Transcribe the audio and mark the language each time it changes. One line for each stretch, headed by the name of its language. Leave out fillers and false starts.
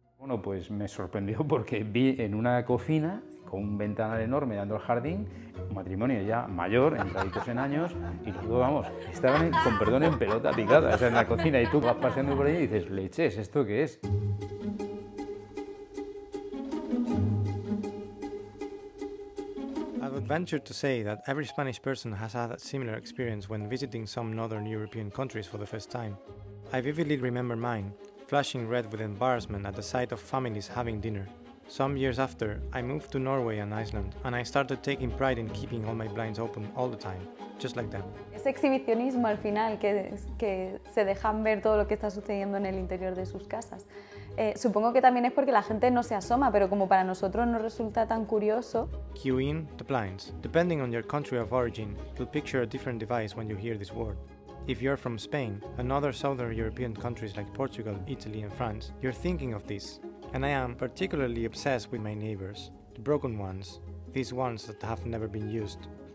Spanish: Bueno, pues me sorprendió porque vi en una cocina con un ventanal enorme dando al jardín un matrimonio ya mayor, entraditos en años, y luego, vamos, estaban con perdón en pelota picada, o sea, en la cocina, y tú vas paseando por ahí y dices, leches, ¿esto qué es?
English: I would venture to say that every Spanish person has had a similar experience when visiting some northern European countries for the first time. I vividly remember mine, flashing red with embarrassment at the sight of families having dinner. Some years after, I moved to Norway and Iceland, and I started taking pride in keeping all my blinds open all the time, just like them.
Spanish: Ese exhibicionismo al final que se dejan ver todo lo que está sucediendo en el interior de sus casas. Supongo que también es porque la gente no se asoma, pero como para nosotros no resulta tan curioso.
English: Cue in the blinds. Depending on your country of origin, you'll picture a different device when you hear this word. If you're from Spain and other southern European countries like Portugal, Italy and France, you're thinking of this. And I am particularly obsessed with my neighbors, the broken ones, these ones that have never been used.